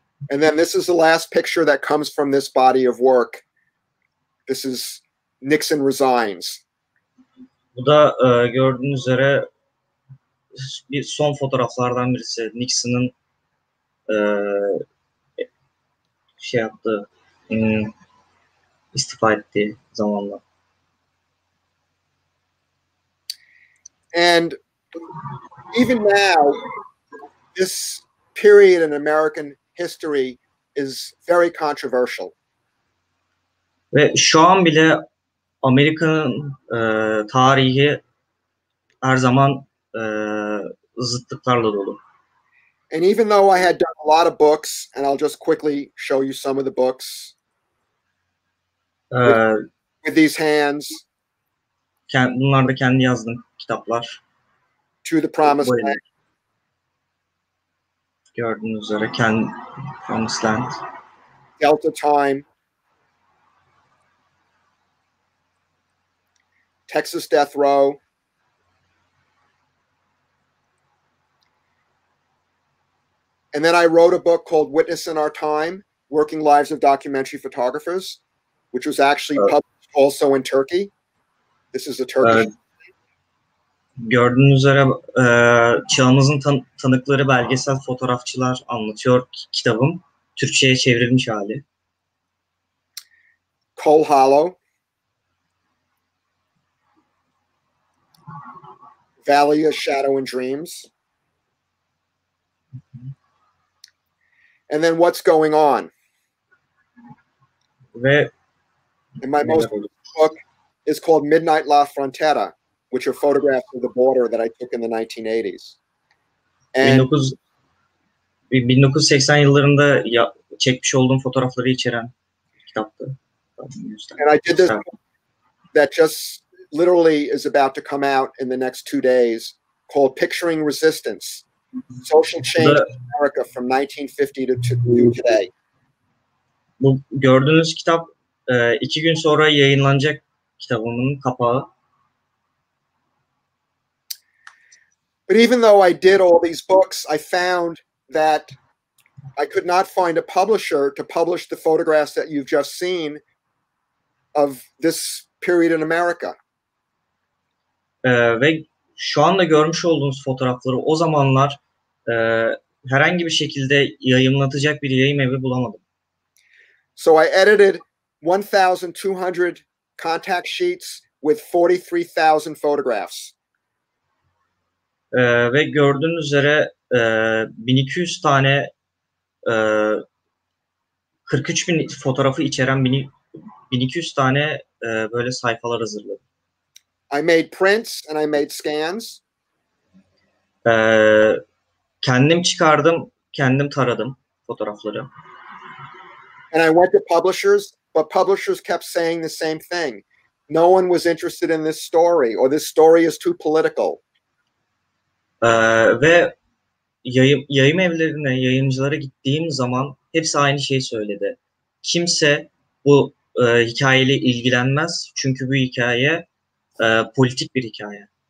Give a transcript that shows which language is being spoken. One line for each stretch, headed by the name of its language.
English: And then this is the last picture that comes from this body of work. This is Nixon resigns.
Turkish: Bu da gördüğünüz üzere bir son fotoğraflardan birisi Nixon'ın istifa ettiği zamanla.
English: And even now this period in American history is very controversial.
Turkish: Ve şu an bile Amerika'nın tarihi her zaman zıtlıklarla dolu.
English: And even though I had done a lot of books, and I'll just quickly show you some of the books with these hands.
Turkish: Bunlar da kendi yazdığım kitaplar.
English: To the Promised Land.
Turkish: Gördüğünüz üzere kendi Promised Land.
English: Delta Time. Texas Death Row. And then I wrote a book called Witness in Our Time, Working Lives of Documentary Photographers, which was actually published also in Turkey. This is a Turkish book.
Turkish: Gördüğünüz üzere çağımızın tanıkları belgesel fotoğrafçılar anlatıyor kitabım. Türkçe'ye çevrilmiş hali.
English: Cole Hollow. Valley of Shadow and Dreams. And then What's Going On.
Turkish: Ve,
English: and my most recent book is called Midnight La Frontera, which are photographs of the border that I took in the 1980s.
Turkish: And 1980 yıllarında çekmiş olduğum fotoğrafları içeren kitaptı.
English: And I did this that just literally is about to come out in the next 2 days called Picturing Resistance, Social Change in America from 1950 to today.
Turkish: Bu gördüğünüz kitap 2 gün sonra yayınlanacak kitabımın kapağı.
English: But even though I did all these books, I found that I could not find a publisher to publish the photographs that you've just seen of this period in America.
Turkish: Ve şu anda görmüş olduğunuz fotoğrafları o zamanlar herhangi bir şekilde yayımlatacak bir yayın evi bulamadım.
English: So I edited 1,200 contact sheets with 43,000 photographs.
Turkish: Ve gördüğünüz üzere 1200 tane 43.000 fotoğrafı içeren 1200 tane böyle sayfalar hazırladım.
English: I made prints and I made scans.
Turkish: Kendim çıkardım, kendim taradım fotoğrafları.
English: And I went to publishers, but publishers kept saying the same thing. No one was interested in this story, or this story is too political.
Turkish: Ve yayım evlerine, yayıncılara gittiğim zaman hepsi aynı şeyi söyledi. Kimse bu hikayeyle ilgilenmez çünkü bu hikaye politik bir hikaye.